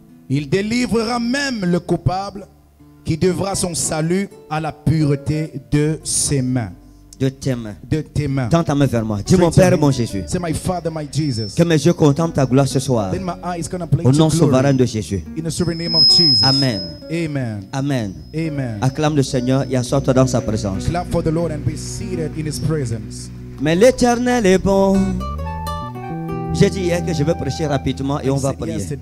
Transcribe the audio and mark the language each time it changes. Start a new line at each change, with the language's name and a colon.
French: Il délivrera même le coupable qui devra son salut à la pureté de ses mains. De tes mains. Tends ta main vers moi. Dis mon Père, mon Jésus.
English: Say my Father, my Jesus.
French: Que mes yeux contemplent ta gloire ce soir.
English: Then my eyes can apply
French: au nom souverain de Jésus.
English: In the sovereign name of Jesus. Amen. Amen. Amen. Amen.
French: Acclame le Seigneur et assois-toi dans sa présence.
English: Clap for the Lord and be seated in his presence.
French: Mais l'Éternel est bon. J'ai dit hier que je vais prêcher rapidement et on va prier.